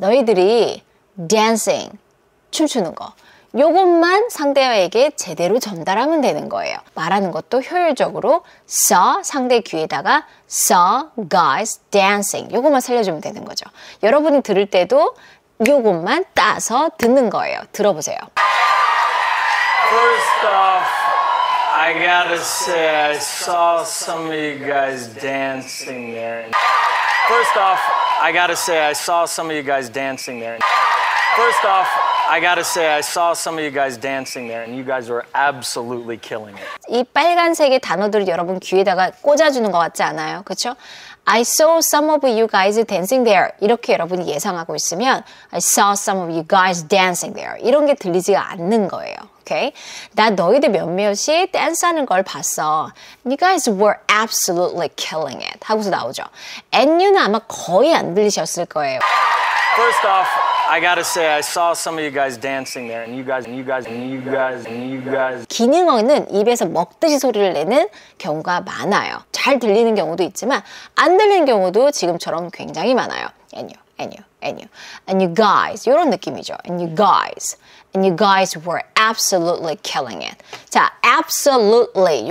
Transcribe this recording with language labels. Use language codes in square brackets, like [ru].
[ko] 너희들이 dancing. 춤추는 거. 이것만 상대에게 제대로 전달하면 되는 거예요. 말하는 것도 효율적으로 saw 상대 귀에다가 [en] saw guys dancing. [ko] 이것만 살려주면 되는 거죠. 여러분이 들을 때도 이것만 따서 듣는 거예요. 들어보세요. [en] First off, I gotta say, I saw some of you guys dancing there. First off, I gotta say, I saw some of you guys dancing there. First off, I gotta say, I saw some of you guys dancing there, and you guys were absolutely killing it. [ko] 이 빨간색의 단어들을 여러분 귀에다가 꽂아주는 것 같지 않아요? 그렇죠? [en] I saw some of you guys dancing there. [ko] 이렇게 여러분이 예상하고 있으면 [en] I saw some of you guys dancing there. [ko] 이런 게 들리지가 않는 거예요. [en] Okay. [ko] 나 너희들 몇몇이 댄스하는 걸 봤어. [en] You guys were absolutely killing it. [ko] 하고서 나오죠. And you는 아마 거의 안 들리셨을 거예요. [en] First off, I gotta say I saw some of you guys dancing there. And you guys, and you guys, and you guys, and you guys. [ko] 기능어는 입에서 먹듯이 소리를 내는 경우가 많아요. 잘 들리는 경우도 있지만 안 들리는 경우도 지금처럼 굉장히 많아요. [en] And you, and you, and you. And you guys, [ko] 이런 느낌이죠. [en] And you guys. And you guys were absolutely killing it. 자, absolutely.